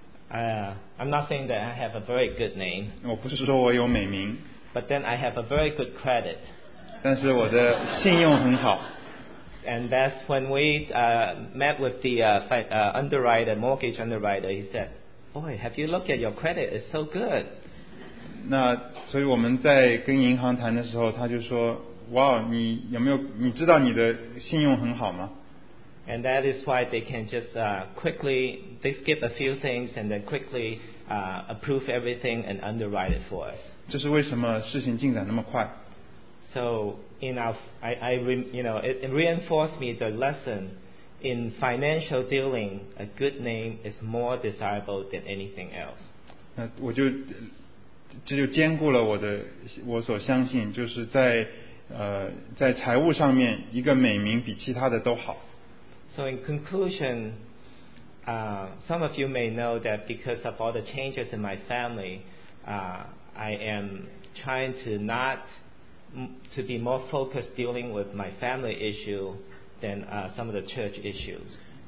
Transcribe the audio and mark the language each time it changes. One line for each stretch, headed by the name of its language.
English: I'm not saying that I have a very good name.
Chinese: 我不是说我有美名,
English: but then I have a very good credit.
Chinese: 但是我的信用很好。
English: And that's when we met with the underwriter, mortgage underwriter, he said, boy, have you looked at your credit? It's so good.
Chinese: 那所以我们在跟银行谈的时候, 他就说, wow, 你有没有, 你知道你的信用很好吗?
English: And that is why they can just they skip a few things and then quickly approve everything and underwrite it for us.
Chinese: 这是为什么事情进展那么快?
English: So it reinforced me the lesson in financial dealing, a good name is more desirable than anything else.
Chinese: 那我就 这就兼顾了我所相信，就是在财务上面，一个美名比其他的都好。
English: So in conclusion, some of you may know that because of all the changes in my family, I am trying to be more focused dealing with my family issue than some of the church issues.